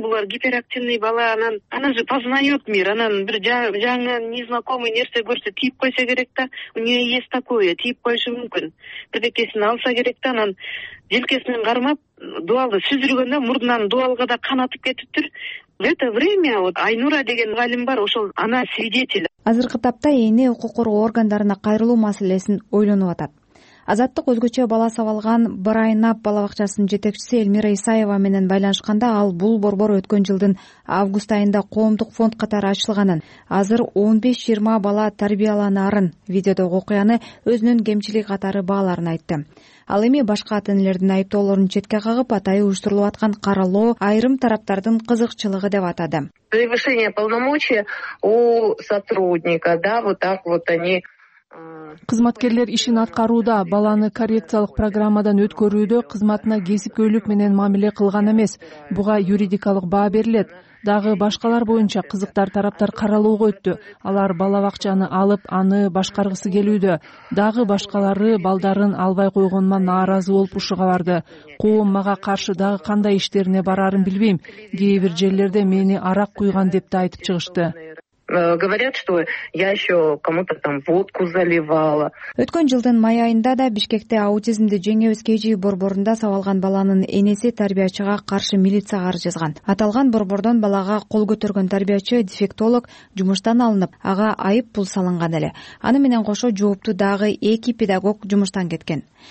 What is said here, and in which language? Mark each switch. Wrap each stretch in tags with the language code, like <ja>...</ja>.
<ky>Булар гиперактивный бала, анан же</ky> <ru>познает мир,</ru> <ky>анан бир жаңы незнакомый нерсе көрсө тийип койсо керек да,</ky> <ru>у нее есть такое,</ru> <ky>тийип койушу мүмкүн. Бирдекесин алса керек да, анан желкесинен кармап дубалды сүзүргөндө мурдунан дубалга да кан атып кетиптир.</ky> <ru>В это время Айнура</ru> <ky>деген мугалим бар, ошол</ky> <ru>она свидетель.</ru> <ky>Азыркы тапта эне укук коргоо органдарына кайрылуу маселесин ойлонуп атат. Азаттык өзгөчө бала сабалган Брайн Ап бала бакчасынын жетекчиси Элмира Исаева менен байланышканда, ал бул борбор өткөн жылдын август айында коомдук фонд катары ачылганын, азыр 15-20 бала тарбияланарын, видеодогу окуяны өзүнүн кемчилиги катары бааларын айтты. Ал эми башка ата-энелердин айыптоолорун четке кагып, атайы уюштурулуп аткан каралоо айрым тараптардын кызыкчылыгы деп атады.</ky> <ru>Превышение полномочий у сотрудника, да, вот так вот они.</ru> <ky>Кызматкерлер ишин аткарууда, баланы коррекциялык программадан өткөрүүдө кызматына кесипкөйлүк менен мамиле кылган эмес. Буга юридикалык баа берилет. Дагы башкалар боюнча кызыктар тараптар каралоого өттү. Алар бала бакчаны алып, аны башкаргысы келүүдө. Дагы башкалары балдарын албай койгонуна нааразы болуп ушуга барды. Коом мага каршы дагы кандай иштерине барарын билбейм. Кээ бир жерлерде мени арак куйган деп да айтып чыгышты.</ky> <ru>Говорят, что я еще кому-то там водку заливала.</ru> <ky>Өткөн жылдын май айында да Бишкекте аутизмди жеңебиз кежи борборунда сабалган баланын энеси тарбиячыга каршы милицияга арыз жазган. Аталган борбордон балага кол көтөргөн тарбиячы дефектолог жумуштан алынып, ага айып пул салынган эле. Аны менен кошо жооптуу дагы 2 педагог жумуштан кеткен.</ky>